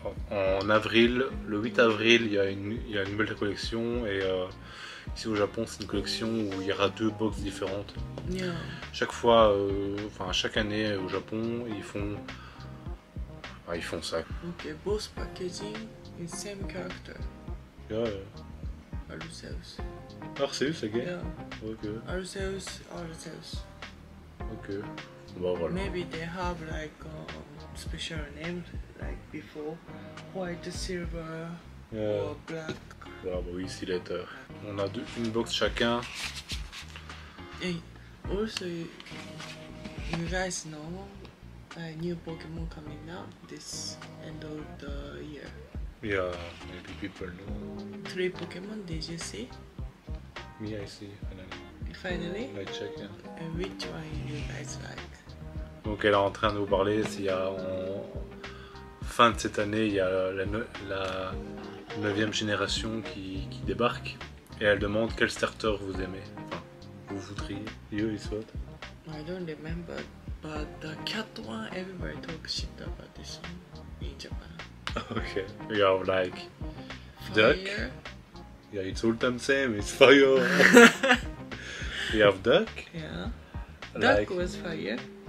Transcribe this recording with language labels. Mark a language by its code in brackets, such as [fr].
[fr] En avril, le 8 avril, il y a une nouvelle collection et ici au Japon, c'est une collection où il y aura deux box différentes. [en] Yeah. [fr] Chaque fois, chaque année au Japon, ils font ça. [en] Ok, both packaging et same character. Yeah. Arceus. Arceus, again. Yeah. Ok. Arceus. [fr] Ok. Bah voilà. [en] Maybe they have like special name. Like before, white, silver, yeah. Or black. [fr] Ah bah oui, c'est later. On a une box chacun. [en] Et also, you guys know, a new Pokemon coming out this end of the year. Yeah, maybe people know. Three Pokemon, did you see? Me, I see, finally. Finally? I check, yeah. And which one you guys like? [fr] Donc elle est en train de vous parler, s'il y a... Fin de cette année, il y a la 9e génération qui débarque et elle demande quel starter vous aimez, enfin, vous voudriez, [en] you is what? I don't remember, but the cat one, everybody talks shit about this one in Japan. Okay, you are like, fire. Duck? Yeah, it's all time same, it's fire. You have duck? Yeah, like, duck was fire.